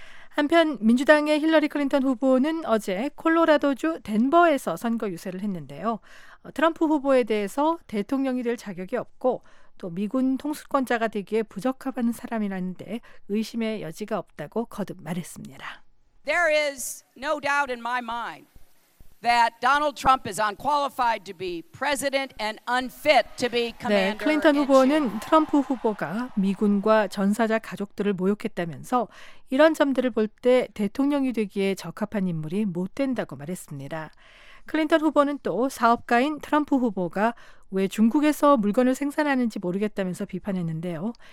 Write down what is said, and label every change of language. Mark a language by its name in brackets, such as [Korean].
[Korean] 한편 민주당의 힐러리 클린턴 후보는 어제 콜로라도주 덴버에서 선거 유세를 했는데요. 트럼프 후보에 대해서 대통령이 될 자격이 없고 또 미군 통수권자가 되기에 부적합한 사람이라는데 의심의 여지가 없다고 거듭 말했습니다. [English] There is no doubt in my mind that Donald Trump is unqualified to be president and unfit to be commander. [Korean] 네, 클린턴 후보는 트럼프 후보가 미군과 전사자 가족들을 모욕했다면서 이런 점들을 볼 때 대통령이 되기에 적합한 인물이 못 된다고 말했습니다. 클린턴 후보는 또 사업가인 트럼프 후보가 왜 중국에서 물건을 생산하는지 모르겠다면서 비판했는데요.